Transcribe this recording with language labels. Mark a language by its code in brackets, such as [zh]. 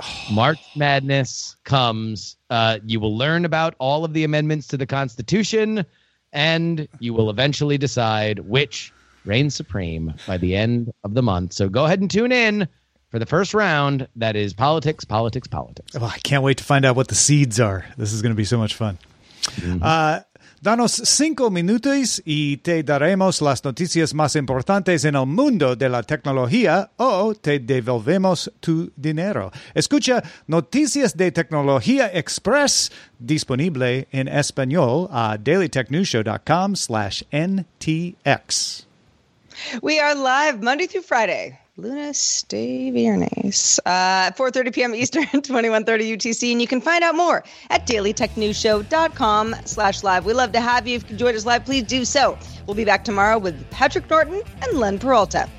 [en] March Madness comes. You will learn about all of the amendments to the Constitution, and you will eventually decide which reigns supreme by the end of the month. So go ahead and tune in for the first round. That is politics. Oh, I can't wait to find out what the seeds are. This is going to be so much fun. [es] Danos cinco minutos y te daremos las noticias más importantes en el mundo de la tecnología o te devolvemos tu dinero. Escucha Noticias de Tecnología Express, disponible en español a dailytechnewsshow.com/NTX. [en] We are live Monday through Friday. [es] Lunes de Viernes, [en] 4:30 p.m. Eastern, 21:30 UTC. And you can find out more at dailytechnewsshow.com/live. We love to have you. If you enjoyed us live, please do so. We'll be back tomorrow with Patrick Norton and Len Peralta.